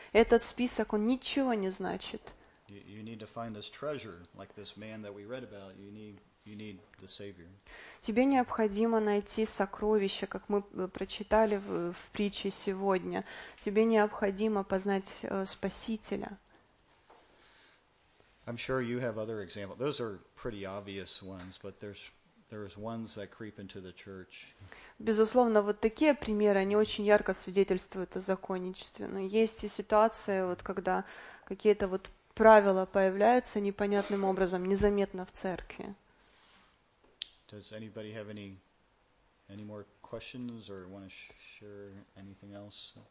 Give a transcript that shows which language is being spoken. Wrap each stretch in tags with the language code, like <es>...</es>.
<ru>Этот список, он ничего не значит.</ru> <en>You need to find this treasure, like this man that we read about. You need the Savior.</en> <ru>Тебе необходимо найти сокровище, как мы прочитали в притче сегодня. Тебе необходимо познать Спасителя.</ru> <en>I'm sure you have other examples. Those are pretty obvious ones, but there's ones that creep into the church.</en> <ru>Безусловно, вот такие примеры, они очень ярко свидетельствуют о законничестве. Но есть и ситуация, вот когда какие-то вот правила появляются непонятным образом, незаметно в церкви.</ru> <en>Does anybody have any more questions or want to share anything else?</en>